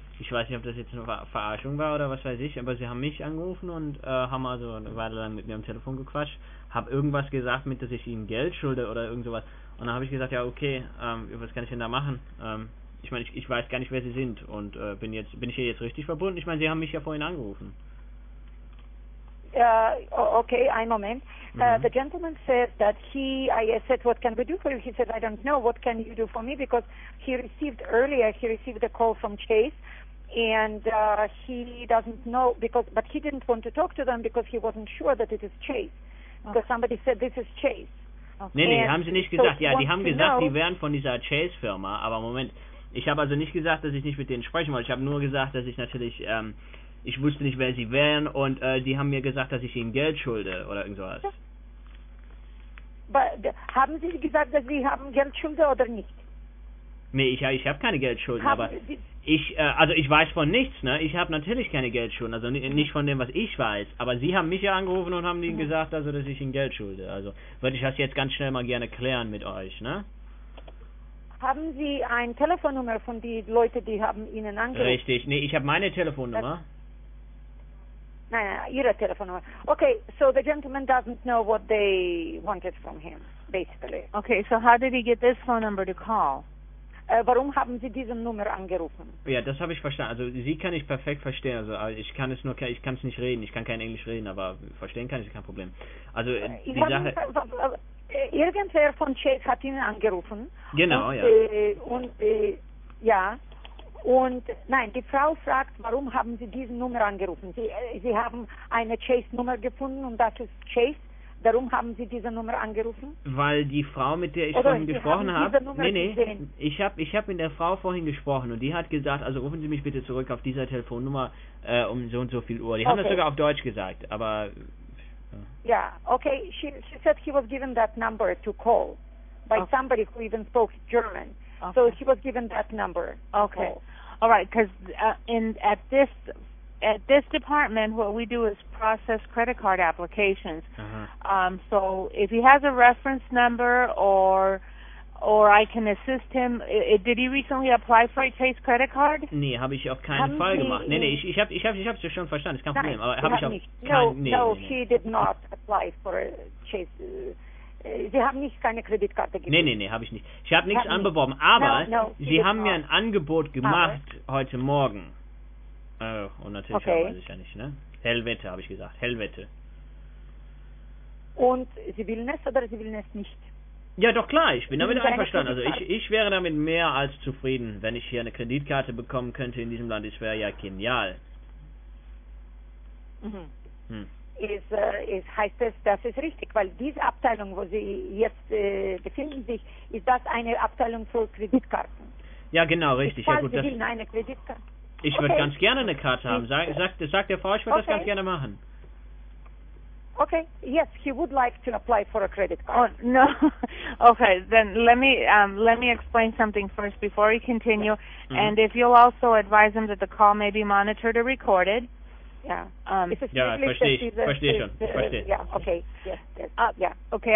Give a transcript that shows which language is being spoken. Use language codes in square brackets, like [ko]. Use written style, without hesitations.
[de] Ich weiß nicht, ob das jetzt eine Verarschung war oder was weiß ich, aber Sie haben mich angerufen und haben also weiter dann mit mir am Telefon gequatscht. Hab irgendwas gesagt, mit dass ich Ihnen Geld schulde oder irgend sowas. Und dann habe ich gesagt, ja, okay, was kann ich denn da machen? Ich weiß gar nicht, wer Sie sind und bin ich hier jetzt richtig verbunden? Ich meine, Sie haben mich ja vorhin angerufen. Okay, einen Moment. [en] The gentleman said that I said, what can we do for you? He said, I don't know, what can you do for me? Because he received a call from Chase, and he doesn't know, but he didn't want to talk to them because he wasn't sure that it is Chase. Because somebody said, this is Chase. [de] Okay. Nee, haben sie nicht gesagt. So ja, die haben gesagt, die wären von dieser Chase-Firma. Aber Moment, ich habe also nicht gesagt, dass ich nicht mit denen sprechen wollte. Ich habe nur gesagt, dass ich natürlich... ich wusste nicht, wer sie wären und die haben mir gesagt, dass ich ihnen Geld schulde oder irgend sowas. Haben Sie gesagt, dass Sie haben Geld schulde oder nicht? Nee, ich habe keine Geldschulden, ich weiß von nichts, ne? Ich habe natürlich keine Geldschulden, also nicht von dem, was ich weiß, aber Sie haben mich ja angerufen und haben ihnen gesagt, also dass ich ihnen Geld schulde. Also würde ich das jetzt ganz schnell mal gerne klären mit euch, ne? Haben Sie ein Telefonnummer von den Leuten, die haben Ihnen angerufen? Richtig, nee, ich habe meine Telefonnummer. Nein, Ihre Telefonnummer. [en] Okay, so the gentleman doesn't know what they wanted from him, basically. Okay, so how did he get this phone number to call? [de] Warum haben Sie diese Nummer angerufen? Ja, das habe ich verstanden. Also Sie kann ich perfekt verstehen. Also ich kann es nicht reden. Ich kann kein Englisch reden, aber verstehen kann ich, kein Problem. Also die Sache... Irgendwer von Chase hat Ihnen angerufen. Genau, und, ja. Und nein, die Frau fragt, warum haben Sie diese Nummer angerufen? Sie haben eine Chase-Nummer gefunden und das ist Chase. Warum haben Sie diese Nummer angerufen? Weil die Frau, mit der ich oder vorhin Sie gesprochen habe, nee, ich hab mit der Frau vorhin gesprochen und die hat gesagt, also rufen Sie mich bitte zurück auf dieser Telefonnummer um so und so viel Uhr. Die haben das sogar auf Deutsch gesagt, aber... [en] Ja, okay, she said he was given that number to call by somebody who even spoke German. Okay. So he was given that number. Okay. All right, because at this department, what we do is process credit card applications. Uh-huh. So if he has a reference number or I can assist him, did he recently apply for a Chase credit card? [de] Nee, habe ich auf keinen haben Fall gemacht. Nee, ich habe es schon verstanden. Ist kein Problem. Aber habe ich auf keinen. [en] No, he did not apply for a Chase. [de] Sie haben nicht keine Kreditkarte gegeben. Nee, habe ich nicht. Ich habe nichts anbeworben, aber Sie haben mir ein Angebot gemacht heute Morgen. Und natürlich weiß ich ja nicht, ne? Hellwette, habe ich gesagt. Hellwette. Und Sie willen es oder Sie willen es nicht? Ja, doch klar, ich bin damit einverstanden. Also ich wäre damit mehr als zufrieden, wenn ich hier eine Kreditkarte bekommen könnte in diesem Land. Das wäre ja genial. Heißt es, das ist richtig, weil diese Abteilung, wo Sie jetzt befinden sich, ist das eine Abteilung für Kreditkarten? Ja, genau, richtig. Falls ja, gut, Sie will eine Kreditkarte. Ich würde ganz gerne eine Karte haben. Sag der Frau, ich würde das ganz gerne machen. [en] Okay, yes, he would like to apply for a credit card. Oh, no. Okay, then let me explain something first before we continue. Mm-hmm. And if you'll also advise him that the call may be monitored or recorded. Okay,